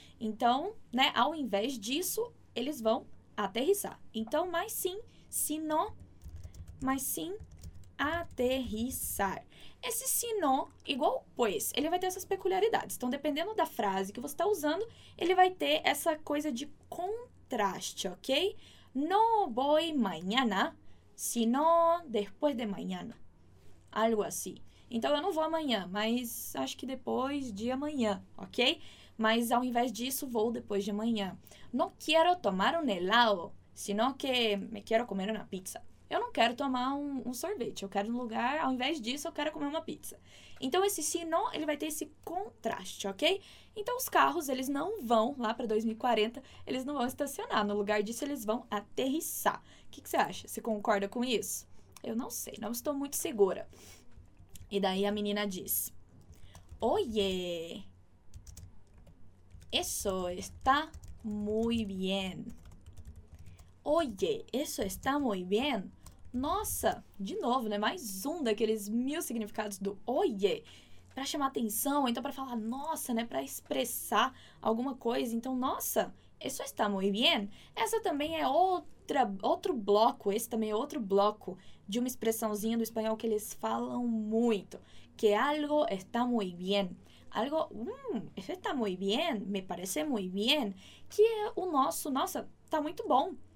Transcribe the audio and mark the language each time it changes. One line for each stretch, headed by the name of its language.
Portuguese: Então, né, ao invés disso, eles vão aterrissar. Então, mas sim, sino, mas sim, aterrissar. Esse sino, igual pois, ele vai ter essas peculiaridades. Então, dependendo da frase que você está usando, ele vai ter essa coisa de contraste, ok?
Spanish: No voy mañana, sino después de mañana.
Portuguese: Algo assim. Então, eu não vou amanhã, mas acho que depois de amanhã, ok? Mas, ao invés disso, vou depois de amanhã.
Spanish: No quiero tomar un helado, sino que me quiero comer una pizza.
Portuguese: Eu não quero tomar um sorvete, eu quero um lugar, ao invés disso, eu quero comer uma pizza. Então, esse sino, ele vai ter esse contraste, ok? Então, os carros, eles não vão lá para 2040, eles não vão estacionar. No lugar disso, eles vão aterrissar. O que você acha? Você concorda com isso? Eu não sei, não estou muito segura. E daí, a menina diz,
Spanish: oye, eso está muy bien. Oye, eso está muy bien.
Portuguese: Nossa, de novo, né? Mais um daqueles mil significados do oye. Para chamar atenção, então para falar nossa, né? Para expressar alguma coisa. Então, nossa,
Spanish: eso está muy bien.
Portuguese: Essa também é outro bloco. Esse também é outro bloco de uma expressãozinha do espanhol que eles falam muito.
Spanish: Que algo está muy bien. Algo, eso está muy bien. Me parece muy bien.
Portuguese: Que é o nosso, nossa, está muito bom.